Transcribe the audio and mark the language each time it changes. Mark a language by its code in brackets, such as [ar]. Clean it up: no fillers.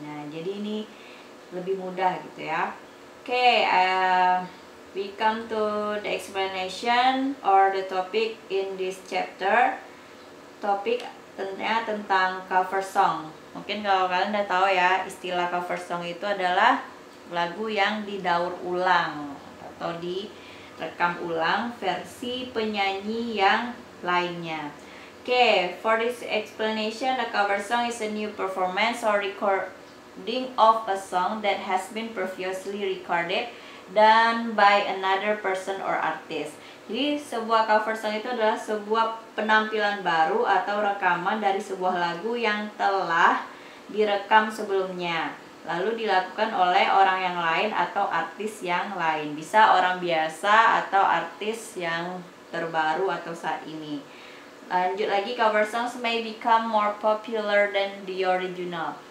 [id] Nah, jadi ini lebih mudah gitu ya. [en] Oke, we come to the explanation or the topic in this chapter. [id] Topik tentunya tentang cover song. Mungkin kalau kalian udah tahu ya, istilah cover song itu adalah lagu yang didaur ulang atau di rekam ulang versi penyanyi yang lainnya. [en] Okay, for this explanation, a cover song is a new performance or recording of a song that has been previously recorded done by another person or artist. [id] Jadi sebuah cover song itu adalah sebuah penampilan baru atau rekaman dari sebuah lagu yang telah direkam sebelumnya, lalu dilakukan oleh orang yang lain atau artis yang lain. Bisa orang biasa atau artis yang terbaru atau saat ini. Lanjut lagi, [en] cover songs may become more popular than the original.